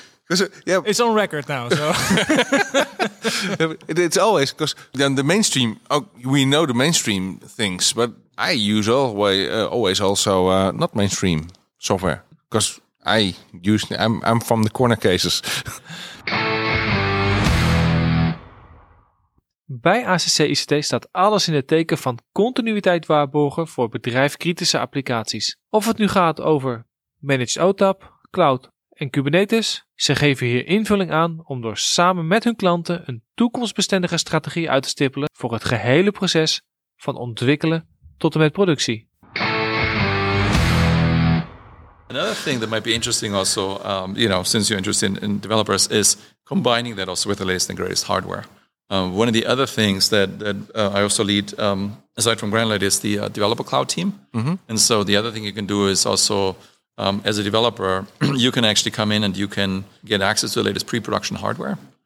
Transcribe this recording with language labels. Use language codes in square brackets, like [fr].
[en] It's on record now, so. It's always, because then the mainstream, we know the mainstream things, but I use always also not mainstream software, because I'm from the corner cases. [nl] Bij ACC ICT staat alles in het teken van continuïteit waarborgen voor bedrijfkritische applicaties. Of het nu gaat over Managed OTAP, Cloud en Kubernetes, ze geven hier invulling aan om door samen met hun klanten een toekomstbestendige strategie uit te stippelen voor het gehele proces van ontwikkelen tot en met productie. [en] Another thing that might be interesting also, you know, since you're interested in developers, is combining that also with the latest and greatest hardware. One of the other things that I also lead, aside from GrandLite, is the developer cloud team. Mm-hmm. And so the other thing you can do is also, as a developer, you can actually come in and you can get access to the latest pre-production hardware.